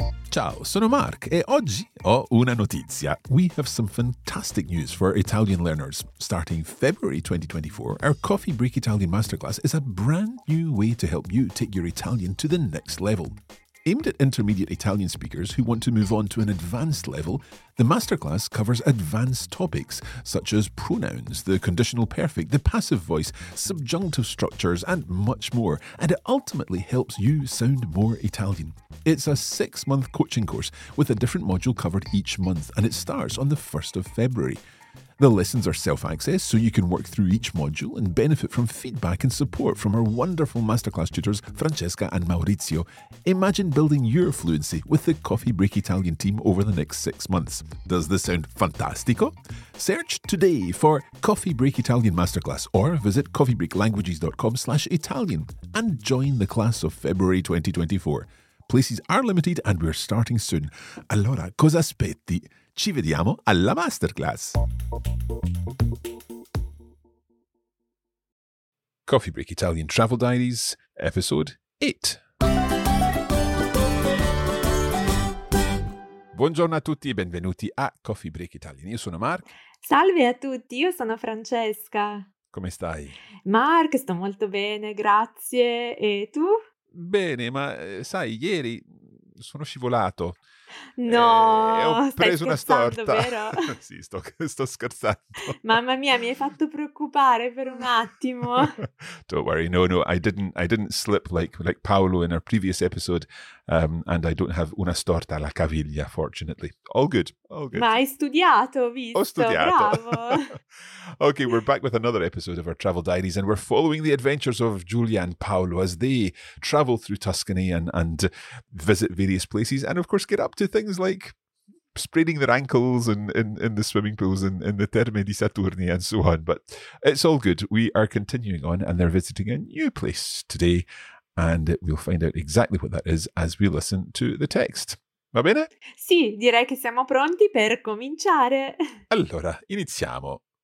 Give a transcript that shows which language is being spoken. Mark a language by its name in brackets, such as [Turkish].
[Italian] Ciao, sono Mark e oggi ho una notizia. [English] We have some fantastic news for Italian learners. Starting February 2024, our Coffee Break Italian Masterclass is a brand new way to help you take your Italian to the next level. Aimed at intermediate Italian speakers who want to move on to an advanced level, the masterclass covers advanced topics such as pronouns, the conditional perfect, the passive voice, subjunctive structures, and much more, and it ultimately helps you sound more Italian. It's a six-month coaching course with a different module covered each month, and it starts on the 1st of February. The lessons are self-access, so you can work through each module and benefit from feedback and support from our wonderful masterclass tutors, Francesca and Maurizio. Imagine building your fluency with the Coffee Break Italian team over the next 6 months. Does this sound fantastico? Search today for Coffee Break Italian Masterclass or visit coffeebreaklanguages.com/Italian and join the class of February 2024. Places are limited and we're starting soon. [Italian] Allora, cosa aspetti? Ci vediamo alla masterclass. Coffee Break Italian Travel Diaries, Episode 8. Buongiorno a tutti e benvenuti a Coffee Break Italian. Io sono Mark. Salve a tutti, io sono Francesca. Come stai? Mark, sto molto bene, grazie. E tu? Bene, ma sai, ieri sono scivolato. No, ho preso una storta, vero? Sì, sto scherzando. Mamma mia, mi hai fatto preoccupare per un attimo. [English] Don't worry, no, I didn't slip like Paolo in our previous episode, and I don't have [Italian] una storta alla caviglia, [English] fortunately. All good. [Italian] Ma hai studiato, visto? Ho studiato. Bravo. [English] Okay, we're back with another episode of our travel diaries, and we're following the adventures of Giulia and Paolo as they travel through Tuscany and visit various places, and of course get up to things like spraining their ankles in the swimming pools in the Terme di Saturni and so on. But it's all good. We are continuing on and they're visiting a new place today. And we'll find out exactly what that is as we listen to the text. [Italian] Va bene? Sì, direi che siamo pronti per cominciare. Allora, iniziamo.